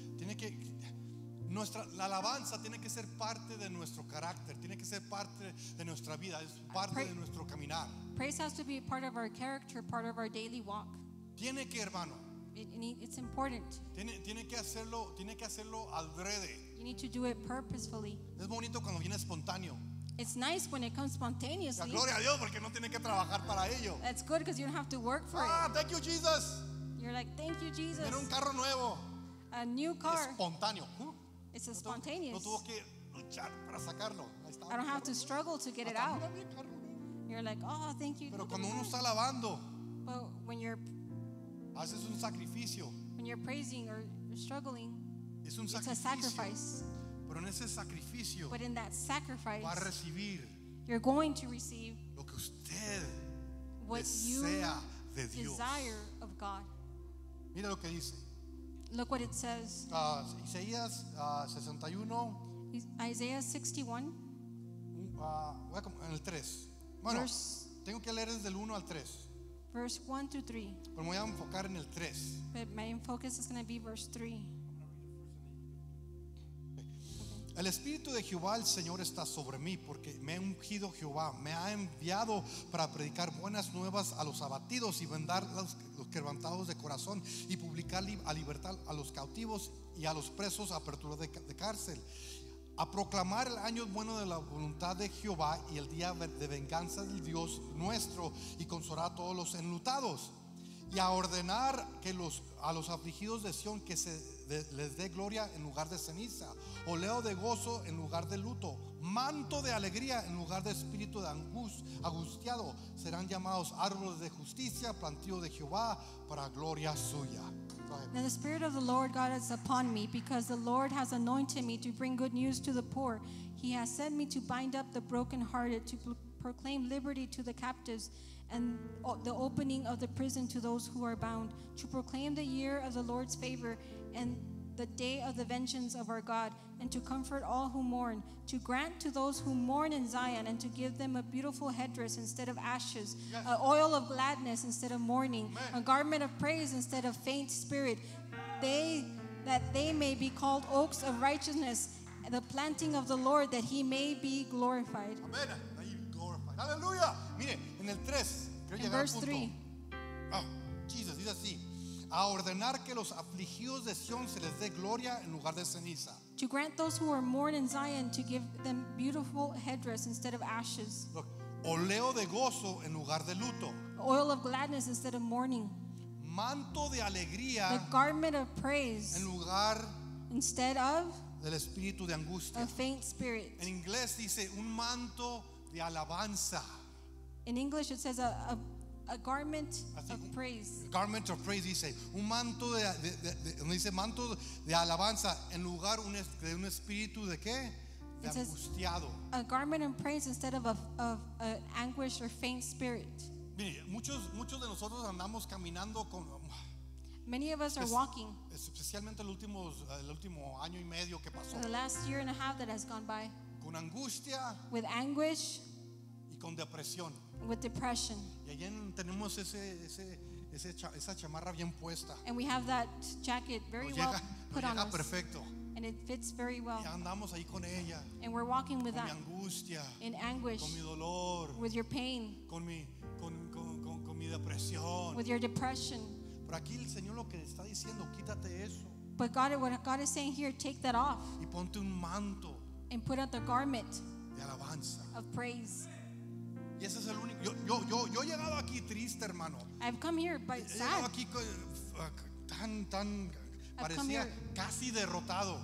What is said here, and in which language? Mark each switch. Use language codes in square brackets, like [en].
[es] Tiene que nuestra la alabanza tiene que ser parte de nuestro carácter, tiene que ser parte de nuestra vida, es parte de nuestro caminar. [en] Praise has to be part of our character, part of our daily walk. [es] Tiene que, hermano. [en] It's important. [es] Tiene que hacerlo adrede. [en] You need to do it purposefully. [es] Es bonito cuando viene espontáneo. [en] It's nice when it comes spontaneously. [es] La gloria a Dios porque no tiene que trabajar para ello. [en] That's good because you don't have to work for it. Ah, thank you, Jesus. You're like, thank you, Jesus. [es] Tiene un carro nuevo. [en] A new car. [es] Espontáneo. [en] It's spontaneous. [es] No tuvo que luchar para sacarlo. [en] I don't have to struggle to get it out. You're like, oh, thank you. [es] Pero cuando uno está alabando. [en] But when you're [es] haces un sacrificio. [en] When you're praising or struggling, [es] es un sacrificio. [en] It's a sacrifice. [es] Pero en ese sacrificio, [en] but in that sacrifice, [es] va a recibir, [en] you're going to receive [es] lo que usted [en] what [es] desea [en] you [es] de Dios. [en] Desire of God. [es] Mira lo que dice. [en] Look what it says. [es] Isaías 61. [en] Isaiah 61. [es] En el 3. Bueno, tengo que leer desde el 1 al 3. [en] Verse 1 to 3. But my focus is going to be verse 3. [es] El Espíritu de Jehová, el Señor, está sobre mí, porque me ha ungido Jehová. Me ha enviado para predicar buenas nuevas a los abatidos y vendar los quebrantados de corazón y publicar a libertad a los cautivos y a los presos a apertura de cárcel. A proclamar el año bueno de la voluntad de Jehová y el día de venganza del Dios nuestro y consolar a todos los enlutados y a ordenar que a los afligidos de Sión que les dé gloria en lugar de ceniza, óleo de gozo en lugar de luto, manto de alegría en lugar de espíritu de angustiado, serán llamados árboles de justicia, plantío de Jehová para gloria suya. [en] Now the Spirit of the Lord God is upon me, because the Lord has anointed me to bring good news to the poor. He has sent me to bind up the brokenhearted, to proclaim liberty to the captives and the opening of the prison to those who are bound, to proclaim the year of the Lord's favor and the day of the vengeance of our God, and to comfort all who mourn, to grant to those who mourn in Zion, and to give them a beautiful headdress instead of ashes, yes, a oil of gladness instead of mourning, amen, a garment of praise instead of faint spirit, they that they may be called oaks of righteousness, the planting of the Lord, that he may be glorified. Amen. May be glorified. Hallelujah. [es] Mire, en el 3, [en] verse 3. [es] Jesus dice así: a ordenar que los afligidos de Sion se les dé gloria en lugar de ceniza. [en] To grant those who are mourned in Zion to give them beautiful headdress instead of ashes. [es] Look, oleo de gozo en lugar de luto. [en] Oil of gladness instead of mourning. [es] Manto de alegría. [en] The garment of praise. [es] En lugar. [en] Instead of. [es] Del espíritu de angustia. [en] A faint spirit. [es] En inglés dice un manto de alabanza. [en] In English it says a garment of praise. Garment of praise, [es] dice, un manto de dice manto de alabanza en lugar de un espíritu de qué? De angustiado. [en] A garment of praise instead of an anguish or faint spirit. [es] Mire, muchos de nosotros andamos caminando con. [en] Many of us are walking. [es] Especialmente el último año y medio que pasó. [en] The last year and a half that has gone by. [es] Con angustia. [en] With anguish. [es] Y con depresión. [en] With depression. [es] Y allí tenemos esa chamarra bien puesta. [en] And we have that jacket very well put on us. [es] Perfecto. [en] And it fits very well. [es] Y andamos ahí con ella. [en] And we're walking with that. [es] Con mi angustia. [en] In anguish. [es] Con mi dolor. [en] With your pain. [es] Con mi depresión. [en] With your depression. [es] Pero aquí el Señor lo que está diciendo, quítate eso. [en] But God, what God is saying here, take that off. [es] Y ponte un manto. [en] And put on the garment. [es] De alabanza. [en] Of praise. [es] Y ese es el único. Yo he llegado aquí triste, hermano. [en] I've come here, but sad. [es] He llegado aquí tan parecía casi derrotado.